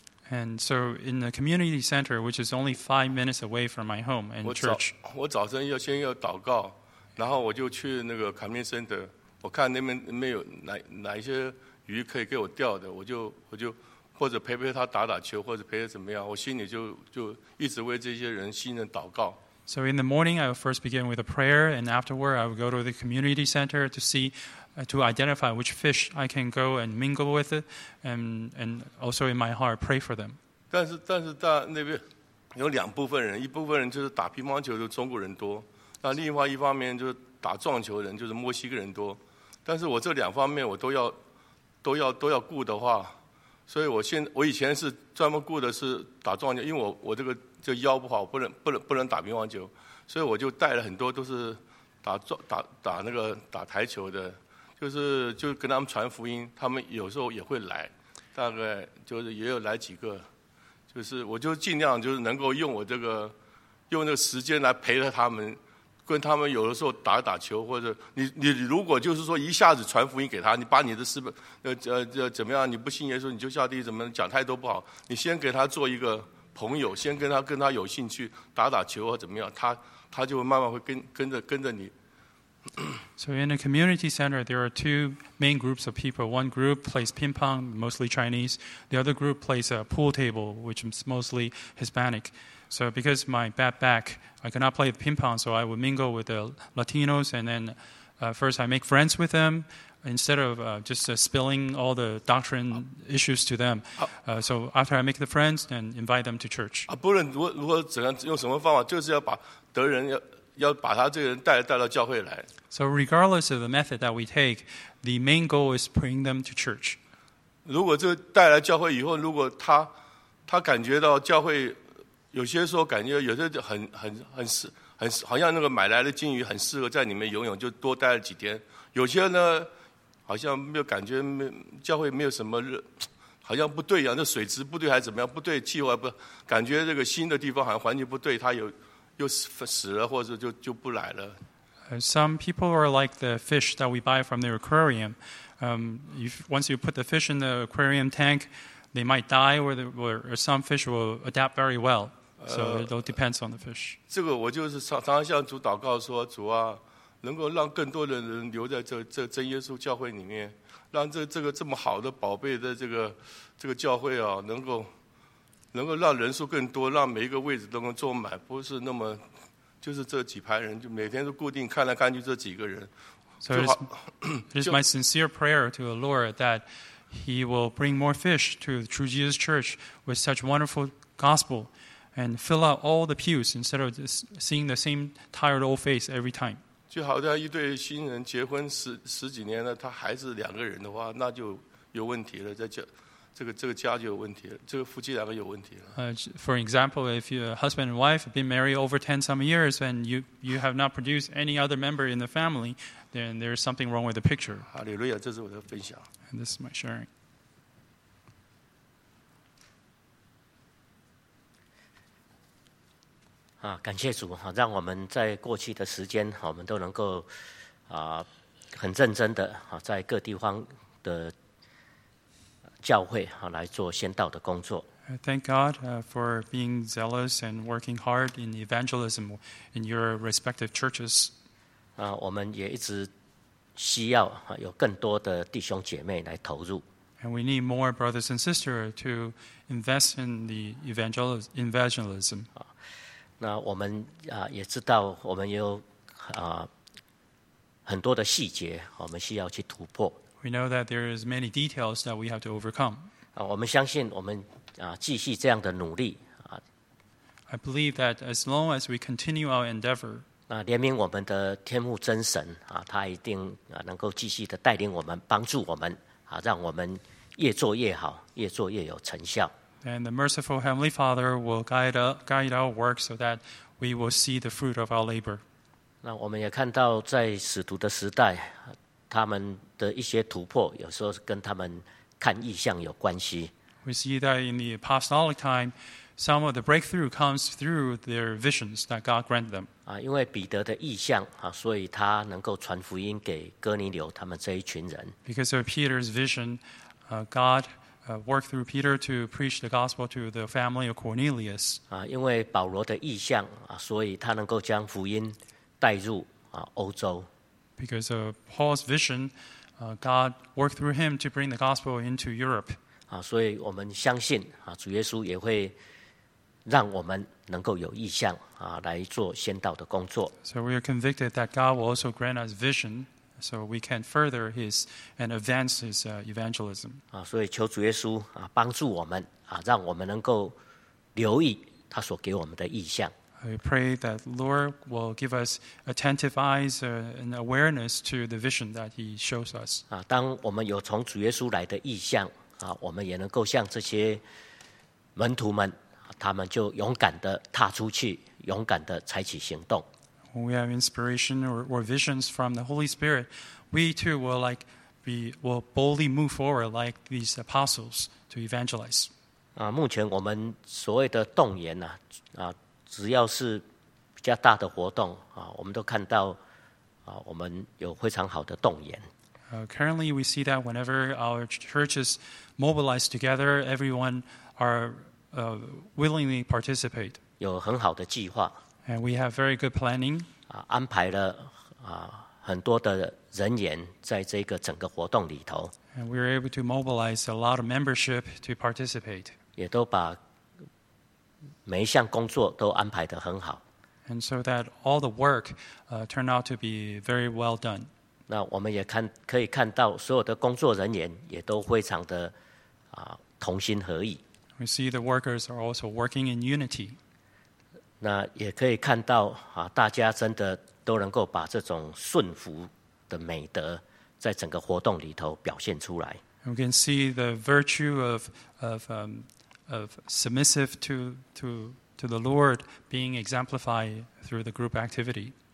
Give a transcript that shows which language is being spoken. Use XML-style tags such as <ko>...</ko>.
<en>And so in the community center, which is only 5 minutes away from my home and church,</en> <zh>我早晨要祷告。然后我就去那个卡明森德，我看那边没有哪一些鱼可以给我钓的，我就或者陪他打打球，或者陪他怎么样，我心里就一直为这些人信任祷告。</zh> <en>So in the morning, I would first begin with a prayer, and afterward, I would go to the community center to see, to identify which fish I can go and mingle with, and also in my heart pray for them.</en> <zh>但是在那边有两部分人，一部分人就是打乒乓球的中国人多。那另外一方面就是打撞球的人就是墨西哥人多，但是我这两方面我都要顾的话，所以我以前是专门顾的是打撞球，因为我这个就腰不好，不能打乒乓球，所以我就带了很多都是打台球的，就跟他们传福音，他们有时候也会来，大概就是也有来几个，就是我就尽量就是能够用那个时间来陪着他们。跟他们有的时候打打球，或者 你如果就是说一下子传福音给他，你把你的事怎么样，你不信耶稣你就下地怎么讲太多不好，你先给他做一个朋友，先跟他有兴趣打打球或怎么样，他就慢慢会跟着你。</zh> <en>So in a community center, there are two main groups of people. One group plays ping pong, mostly Chinese. The other group plays a pool table, which is mostly Hispanic. So because my bad back, I cannot play ping pong, so I would mingle with the Latinos, and then first I make friends with them instead of just spilling all the doctrine issues to them. So after I make the friends, then invite them to church.</en> <zh>不论如何用什么方法，就是要把得人要把他这个人带到教会来。</zh> <en>So regardless of the method that we take, the main goal is bring them to church.</en> <zh>如果这带来教会以后，如果他感觉到教会有些时候感觉有些很好像那个买来的金鱼很适合在里面游泳，就多待了几天。有些呢，好像没有感觉教会没有什么热，好像不对呀，那水质不对还怎么样？不对，气候还不感觉这个新的地方好像环境不对，他有。</zh> <en>Some people are like the fish that we buy from the aquarium. Once you put the fish in the aquarium tank, they might die, or some fish will adapt very well. So it all depends on the fish.</en> <zh>这个我就是常向主祷告说，主啊，能够让更多的人留在这真耶稣教会里面，让这个这么好的宝贝的这个教会啊，能够让人数更多，让每一个位置都能坐满，不是那么就是这几排人，就每天都固定看来看去这几个人。</zh> <en>So it is my sincere prayer to the Lord that He will bring more fish to the True Jesus Church with such wonderful gospel and fill out all the pews instead of seeing the same tired old face every time.</en> <zh>就好像一对新人结婚十几年了，他还是两个人的话，那就有问题了，这个家就有问题了，这个夫妻两个有问题了。</zh> <en>For example, if your husband and wife have been married over 10 some years and you have not produced any other member in the family, then there is something wrong with the picture.</en> <zh>哈利路亚，这是我的分享。</zh> <en>And this is my sharing.</en> <zh>啊，感谢主哈，让我们在过去的时间，我们都能够很认真的哈，在各地方的教会来做宣道的工作。</zh> <en>Thank God for being zealous and working hard in evangelism in your respective churches.</en> <zh>我们也一直需要有更多的弟兄姐妹来投入。</zh> <en>And we need more brothers and sisters to invest in the evangelism.</en> <zh>那我们也知道我们有很多的细节我们需要去突破。</zh> <en>We know that there is many details that we have to overcome.</en> <zh>我们相信我们继续这样的努力。</zh> <en>I believe that as long as we continue our endeavor,</en> <zh>怜悯我们的天父真神他一定能够继续的带领我们，帮助我们让我们越做越好，越做越有成效。</zh> <en>And the merciful Heavenly Father will guide our work so that we will see the fruit of our labor.</en> <zh>那我们也看到在使徒的时代他们的一些突破，有时候跟他们看异象有关系。</zh> <en>We see that in the apostolic time, some of the breakthrough comes through their visions that God granted them.</en> <zh>因为彼得的异象所以他能够传福音给哥尼流他们这一群人。</zh> <en>Because of Peter's vision, God worked through Peter to preach the gospel to the family of Cornelius.</en> <zh>因为保罗的异象所以他能够将福音带入欧洲。</zh> <en>Because of Paul's vision, God worked through him to bring the gospel into Europe.</en> <zh>所以我们相信主耶稣也会让我们能够有异象来做宣道的工作。</zh> <en>So we are convicted that God will also grant us vision so we can further his and advance his evangelism.</en> <zh>所以求主耶稣帮助我们让我们能够留意他所给我们的异象。</zh> <en>I pray that the Lord will give us attentive eyes and awareness to the vision that He shows us.</en> <zh>当我们有从主耶稣来的异象我们也能够像这些门徒们他们就勇敢地踏出去，勇敢地采取行动。</zh> <en>When we have inspiration or visions from the Holy Spirit, we too will will boldly move forward like these apostles to evangelize.</en> <zh>目前我们所谓的动员只要是比较大的活动啊，我们都看到啊，我们有非常好的动员。</zh> <en>Currently, we see that whenever our churches mobilize together, everyone are willingly participate.</en> <zh>有很好的计划。</zh> <en>And we have very good planning.</en> <zh>啊，安排了啊很多的人员在这个整个活动里头。</zh> <en>And we were able to mobilize a lot of membership to participate.</en> <zh>也都把每一项工作都安排得很好。</zh> <en>And so that all the work turned out to be very well done.</en> <zh>那我们也可以看到所有的工作人员也都非常的同心合意。</zh> <en>We see the workers are also working in unity.</en> <zh>那也可以看到大家真的都能够把这种顺服的美德在整个活动里头表现出来。</zh> <en>We can see the virtue of submissive to the Lord being exemplified through the group activity.</en>